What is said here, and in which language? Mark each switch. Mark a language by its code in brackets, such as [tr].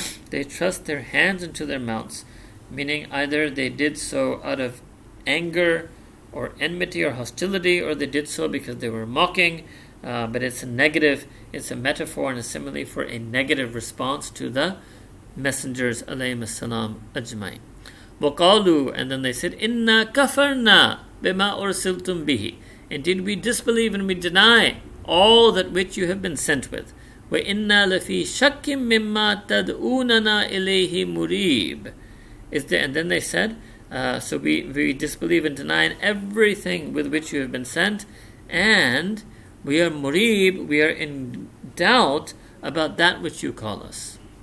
[en] They thrust their hands into their mouths. Meaning either they did so out of anger, or enmity or hostility, or they did so because they were mocking, But it's a negative, it's a metaphor and a simile for a negative response to the messengers alayhi as-salam ajma'in. [ar] وَقَالُوا, [en] and then they said, [ar] إِنَّا كَفَرْنَا بِمَا أُرْسِلْتُمْ بِهِ. [en] Indeed, we disbelieve and we deny all that which you have been sent with. [ar] وَإِنَّا لَفِي شَكِّمْ مِمَّا تَدْعُونَنَا إِلَيْهِ مُرِيبٍ. [en] Is there, and then they said, so we disbelieve and deny everything with which you have been sent, and we are murib, we are in doubt about that which you call us.